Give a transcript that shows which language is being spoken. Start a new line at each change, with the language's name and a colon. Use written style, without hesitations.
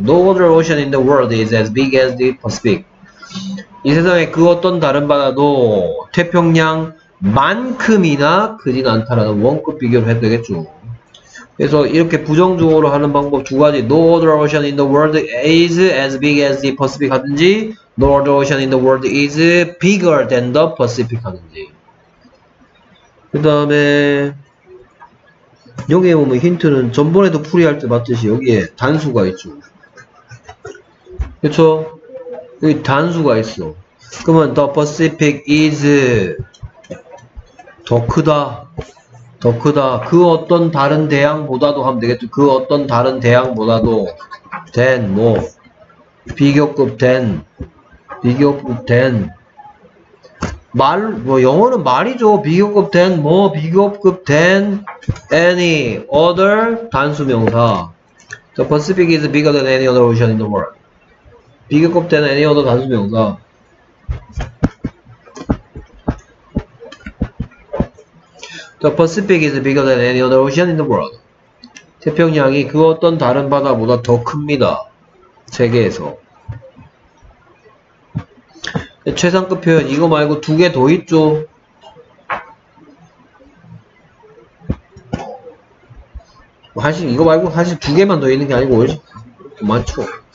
English: No other ocean in the world is as big as the Pacific.
Korean: 이 세상에 그 어떤 다른 바다도 태평양만큼이나 크진 않다라는 원급 비교를 해도 되겠죠. 그래서 이렇게 부정적으로 하는 방법 두 가지.
English: No other ocean in the world is as big as the Pacific
Korean: 하든지,
English: No other ocean in the world is bigger than the Pacific 하든지.
Korean: 그 다음에 여기에 보면 힌트는 전번에도 풀이할 때 봤듯이 여기에 단수가 있죠. 그쵸? 여기 단수가 있어. 그러면
English: the Pacific is
Korean: 더 크다. 더 크다. 그 어떤 다른 대양보다도 하면 되겠죠. 그 어떤 다른 대양보다도 than 뭐 비교급 than 비교급 than 말, 뭐, 영어는 말이죠. 비교급 than, 뭐, 비교급 than, any other 단수 명사.
English: The Pacific is bigger than any other ocean in the world.
Korean: 비교급 than any other 단수 명사.
English: 더 Pacific is bigger than any other ocean in the world.
Korean: 태평양이 그 어떤 다른 바다보다 더 큽니다. 세계에서. 최상급 표현 이거 말고 두 개 더 있죠. 사실 이거 말고 사실 두 개만 더 있는 게 아니고 맞죠.